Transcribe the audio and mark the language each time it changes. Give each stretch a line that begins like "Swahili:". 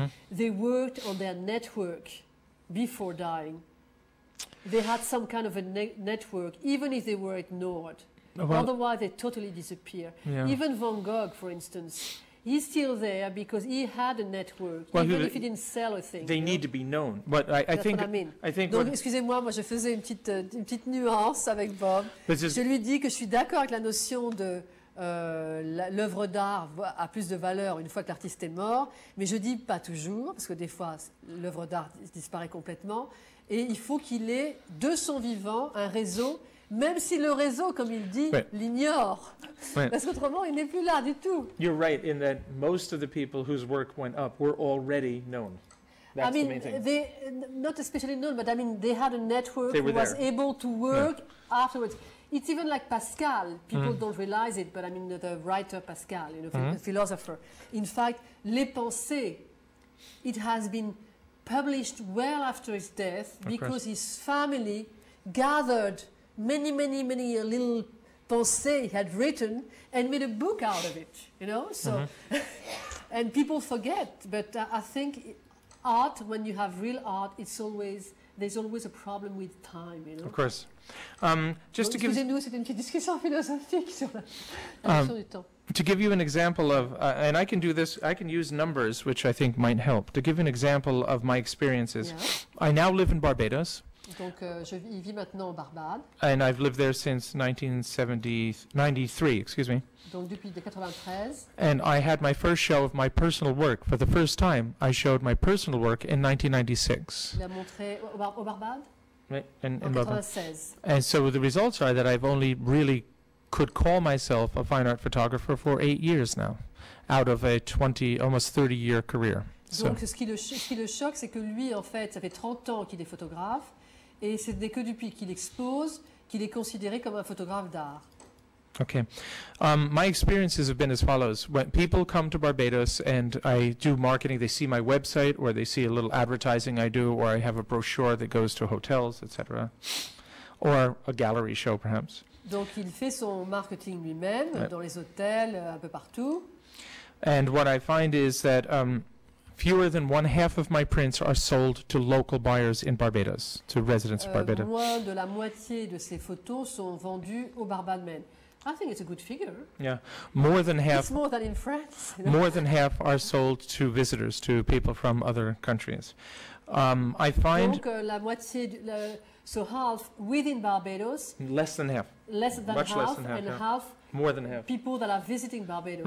English: They worked on their network before dying. They had some kind of a network, even if they were ignored. Well, otherwise, they totally disappear. Yeah. Even Van Gogh, for instance, he's still there because he had a network, if he didn't sell a thing. They need to be known. But I think.
French: Donc, excusez-moi, moi, je faisais une petite nuance avec Bob. Je lui dis que je suis d'accord avec la notion de l'œuvre d'art a plus de valeur une fois que l'artiste est mort, mais je dis pas toujours, parce que des fois, l'œuvre d'art disparaît complètement, et il faut qu'il ait, de son vivant, un réseau. Même si le réseau, comme il dit, l'ignore. Parce qu'autrement, il n'est plus là du tout.
English: You're right in that most of the people whose work went up were already known. That's the main thing. Not especially known, but I mean, they had a network who was able to work afterwards. It's even like Pascal. People don't realize it, but I mean, the writer Pascal, you know, the philosopher. In fact, Les Pensées, it has been published well after his death because his family gathered many, many, many little pensées he had written and made a book out of it, you know? So, and people forget, but I think art, when you have real art, it's always, there's always a problem with time, you know? Of course.
French: Excusez-nous, c'est une petite discussion philosophique sur la notion du temps.
English: To give you an example of, and I can do this, I can use numbers, which I think might help. To give an example of my experiences, I now live in Barbados.
French: Donc, il vit maintenant en Barbade.
English: And I've lived there since 1973, excuse me.
French: Donc depuis 93.
English: And I had my first show of my personal work. For the first time, I showed my personal work in 1996.
French: Il a montré au Barbade? Oui, en 96.
English: And so the results are that I've only really could call myself a fine art photographer for 8 years now, out of a 20, almost 30-year career.
French: Donc, ce qui le choque, c'est que lui, en fait, ça fait 30 ans qu'il est photographe. Et ce n'est que depuis qu'il expose qu'il est considéré comme un photographe d'art.
English: OK. My experiences have been as follows. When people come to Barbados and I do marketing, they see my website or they see a little advertising I do or I have a brochure that goes to hotels, etc. Or a gallery show, perhaps.
French: Donc, il fait son marketing lui-même dans les hôtels, un peu partout.
English: And what I find is that Fewer than one half of my prints are sold to local buyers in Barbados, to residents of Barbados.
French: Moins de la moitié de ces photos sont vendues au Barbadmen.
English: I think it's a good figure. Yeah, more than half. It's more than in France. You know? More than half are sold to visitors, to people from other countries. I find.
French: Donc la moitié,
English: so half within Barbados. Less than half. Less than Much half. Less than half. And yeah. half More than half. People that are visiting Barbados.